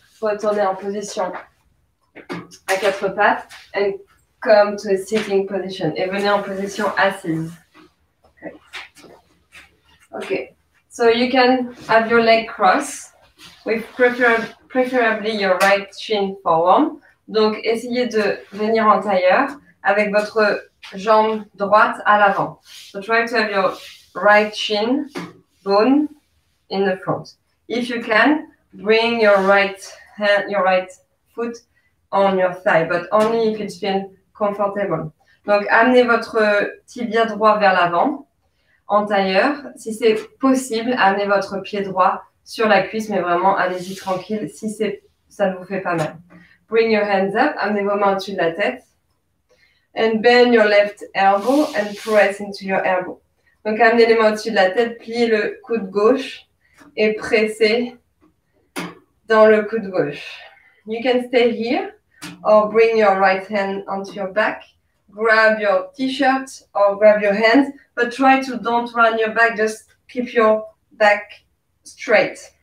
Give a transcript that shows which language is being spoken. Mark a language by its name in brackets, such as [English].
[French] Retournez en position à quatre pattes [English] and come to a sitting position. [French] Et venez en position assise. [English] Okay. So you can have your leg cross with preferably your right shin forward. [French] Donc essayez de venir en tailleur avec votre jambe droite à l'avant. [English] So try to have your right shin bone in the front. If you can, bring your right hand, your right foot on your thigh, but only if it's been comfortable. [French] Donc, amenez votre tibia droit vers l'avant en tailleur. Si c'est possible, amenez votre pied droit sur la cuisse, mais vraiment, allez-y tranquille si c'est, ça ne vous fait pas mal. [English] Bring your hands up, [French] amenez vos mains au-dessus de la tête. [English] And bend your left elbow and press into your elbow. [French] Donc, amenez les mains au-dessus de la tête, pliez le coude gauche et pressez dans le coude gauche. [English] You can stay here or bring your right hand onto your back. Grab your t-shirt or grab your hands, but try to don't run your back, just keep your back straight.